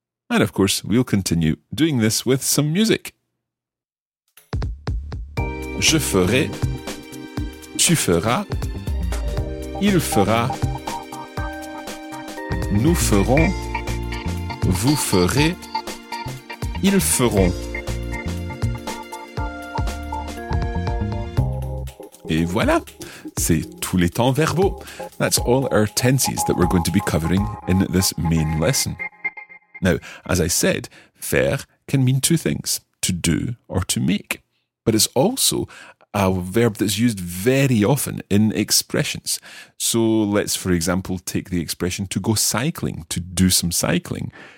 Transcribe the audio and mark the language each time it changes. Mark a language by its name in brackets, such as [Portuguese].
[English] And of course, we'll continue doing this with some music. [French] Je ferai, tu feras, il fera, nous ferons, vous ferez, ils feront. Et voilà, c'est tous les temps verbaux. [English] That's all our tenses that we're going to be covering in this main lesson. Now, as I said, faire can mean two things, to do or to make. But it's also a verb that's used very often in expressions. So let's, for example, take the expression to go cycling, to do some cycling.